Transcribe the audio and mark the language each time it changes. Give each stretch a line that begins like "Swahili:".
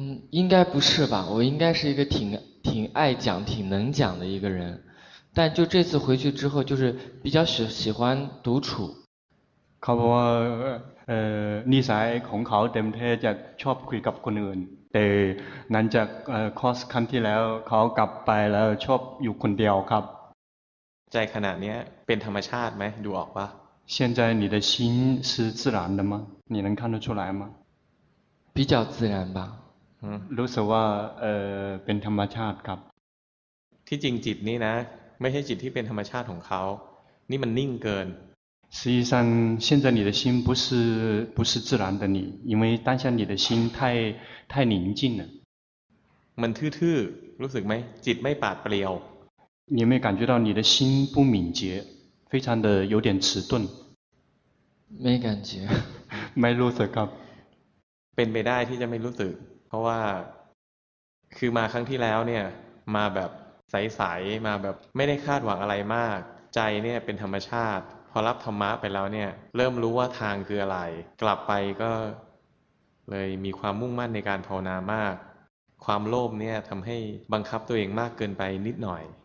Chinese: 应该不是吧，我应该是一个挺爱讲挺能讲的一个人，但就这次回去之后就是比较喜欢独处。
Thai: ครับว่าเออนิสัยของเขาเต็มเทจะชอบคุยกับคนอื่นแต่นั้นจากคอสครั้งที่แล้วเขากลับไปแล้วชอบอยู่คนเดียวครับ ใจขนาดนี้เป็นธรรมชาติไหมดูออกปะ
Chinese: 现在你的心是自然的吗你能看得出来吗比较自然吧
Thai: รู้สึกว่าเป็นธรรมชาติครับ ที่จริงจิตนี้นะไม่ใช่จิตที่เป็นธรรมชาติของเขานี่มันนิ่งเกิน
Chinese: 实际上现在你的心不是自然的你因为当下你的心太宁静了
Thai: มันทื่อๆรู้สึกไหมจิตไม่ปราดเปรียว
Chinese: 你有没有感觉到你的心不敏捷非常的有点迟钝没感觉
Thai: ไม่รู้สึกครับ เป็นไปได้ที่จะไม่รู้สึกเพราะว่าคือมาครั้งที่แล้วเนี่ยมาแบบใสๆมาแบบไม่ได้คาดหวังอะไรมากใจเนี่ยเป็นธรรมชาติพอรับธรรมะไปแล้วเนี่ยเริ่มรู้ว่าทางคืออะไรกลับไปก็เลยมีความมุ่งมั่นในการภาวนามากความโลภเนี่ยทำให้บังคับตัวเองมากเกินไปนิดหน่อย